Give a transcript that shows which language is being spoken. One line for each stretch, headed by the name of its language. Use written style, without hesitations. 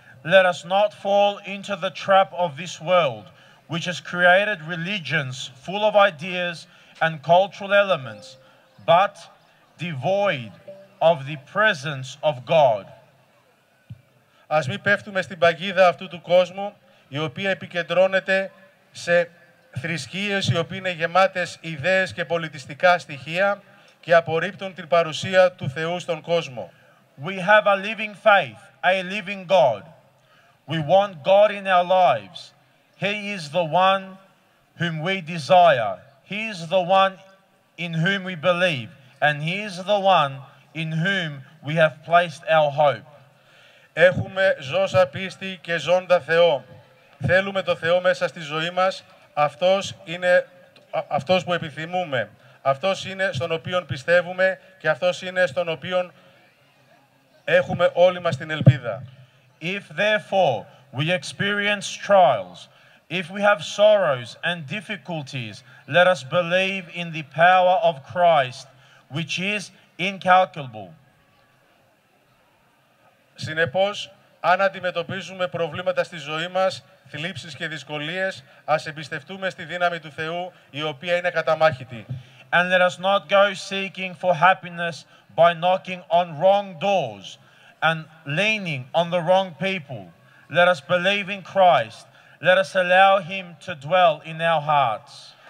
English: Let us not fall into the trap of this world, which has created religions full of ideas and cultural elements, but devoid of the presence of God.
Greek: Ας μην πέφτουμε στην παγίδα αυτού του κόσμου, η οποία επικεντρώνεται σε θρησκείες οι οποίες είναι γεμάτες ιδέες και πολιτιστικά στοιχεία και απορρίπτουν την παρουσία του Θεού στον κόσμο.
English: We have a living faith, a living God. We want God in our lives. He is the one whom we desire. He is the one in whom we believe. And He is the one in whom we have placed our hope.
Greek: Έχουμε ζώσα πίστη και ζώντα Θεό. Θέλουμε το Θεό μέσα στη ζωή μας, Αυτός είναι αυτός που επιθυμούμε. Αυτός είναι στον οποίον πιστεύουμε και αυτός είναι στον οποίον έχουμε όλη μας την ελπίδα.
English: If therefore we experience trials, if we have sorrows and difficulties, let us believe in the power of Christ, which is incalculable.
Greek: Συνεπώς, αν αντιμετωπίζουμε προβλήματα στη ζωή μας, θλίψεις και δυσκολίες, ας εμπιστευτούμε στη δύναμη του Θεού, η οποία είναι καταμάχητη.
English: And let us not go seeking for happiness by knocking on wrong doors and leaning on the wrong people. Let us believe in Christ. Let us allow Him to dwell in our hearts.